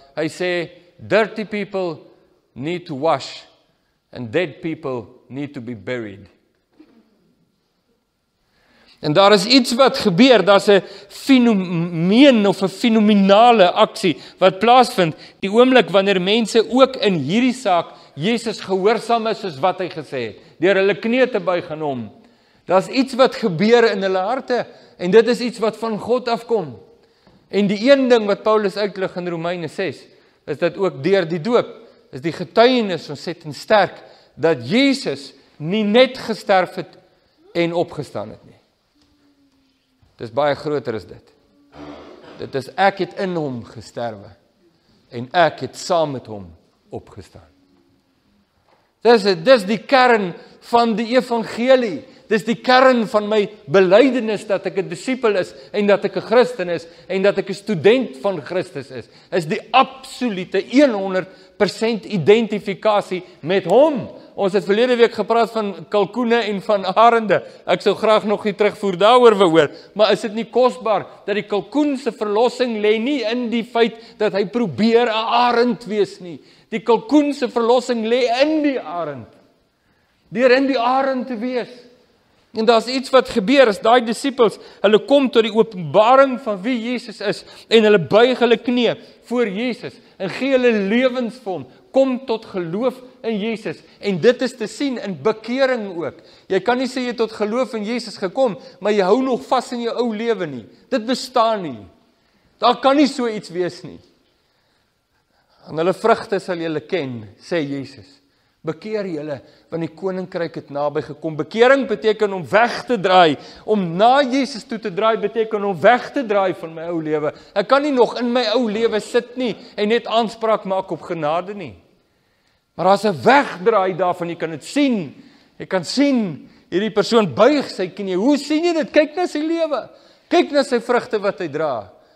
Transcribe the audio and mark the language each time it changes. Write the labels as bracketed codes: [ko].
[af] Hy sê, [en] dirty people need to wash, and dead people need to be buried. [af] En daar is iets wat gebeur, daar is 'n fenomeen of 'n fenomenale aksie, wat plaasvind, die oomblik wanneer mense ook in hierdie saak, Jesus gehoorsaam is soos wat hy gesê het, deur hulle knie te buig aan hom. Daar is iets wat gebeur in hulle harte, en dit is iets wat van God afkom. En die een ding wat Paulus uitlig in Romeine 6, is dat ook deur die doop, is die getuienis ontsettend sterk, dat Jesus nie net gesterf het en opgestaan het nie. Dit is baie groter as dit. Dit is ek het in hom gesterwe, en ek het saam met hom opgestaan. Dit is die kern van die evangelie, dit is die kern van my belydenis dat ek 'n disipel is en dat ek 'n Christen is en dat ek 'n student van Christus is. Is die absolute 100% identifikasie met hom. Ons het verlede week gepraat van kalkoene en van arende. Ek sou graag nog die terugvoer daaroor wou hoor, maar is dit nie kosbaar dat die kalkoen se verlossing lê nie in die feit dat hy probeer 'n arend wees nie. Die kalkoen se verlossing lê in die arend. Deur in die arend te wees. En daar is iets wat gebeur, as die disciples, hulle kom tot die openbaring van wie Jesus is, en hulle buig hulle knie voor Jesus, en gee hulle lewens vir hom, kom tot geloof in Jesus, en dit is te sien in bekering ook. Jy kan nie sê jy tot geloof in Jesus gekom, maar jy hou nog vas in jou ou lewe nie, dit bestaan nie, daar kan nie so iets wees nie. En hulle vrugte sal julle ken, sê Jesus. Bekeer julle, want die koninkryk het naby gekom. Bekering beteken om weg te draai, om na Jesus toe te draai, beteken om weg te draai van my ou lewe. Ek kan nie nog in my ou lewe sit nie, en net aanspraak maak op genade nie. Maar as 'n wegdraai daarvan, jy kan het sien, jy kan sien, hierdie persoon buig sy knie. Hoe sien jy dit? Kyk na sy lewe, kyk na sy vrugte wat hy dra.